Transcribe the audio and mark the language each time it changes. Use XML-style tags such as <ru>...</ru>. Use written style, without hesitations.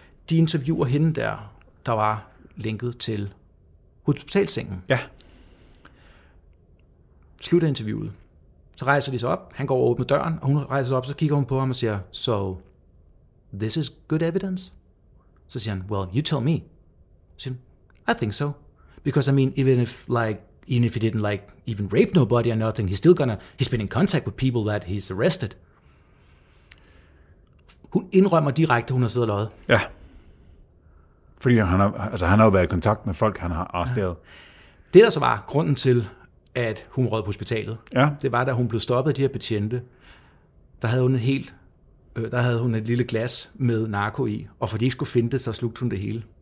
<da>De interviewer hende der var linket til hospitalsengen. Ja. Slutter interviewet. Så rejser de sig op, han går og åbner døren, og hun rejser sig op, så kigger hun på ham og siger,</da> <en>so, this is good evidence?</en> <da>Så siger han,</da> <en>well, you tell me. Så siger han, I think so. Because I mean, even if he didn't like even rape nobody or nothing, he's been in contact with people that he's arrested.</en> <da>Hun indrømmer direkte, hun har siddet og løjet. Ja. Fordi han har jo været i kontakt med folk, han har arresteret. Ja. Det der så var grunden til, at hun røg på hospitalet. Ja. Det var, da hun blev stoppet af de her betjente. Der havde hun et lille glas med narko i, og fordi de ikke skulle finde det, så slugte hun det hele.</da>